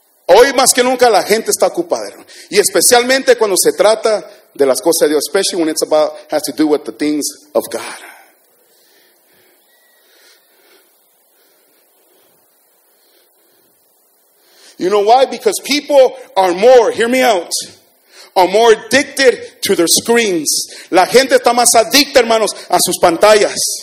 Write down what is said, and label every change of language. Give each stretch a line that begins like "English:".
Spanish: Hoy más que nunca la gente está ocupada, hermano. Y especialmente cuando se trata de las cosas de Dios.
English: Especially when it's about, has to do with the things of God. You know why? Because people are more, hear me out, are more addicted to their screens.
Spanish: La gente está más adicta, hermanos, a sus pantallas.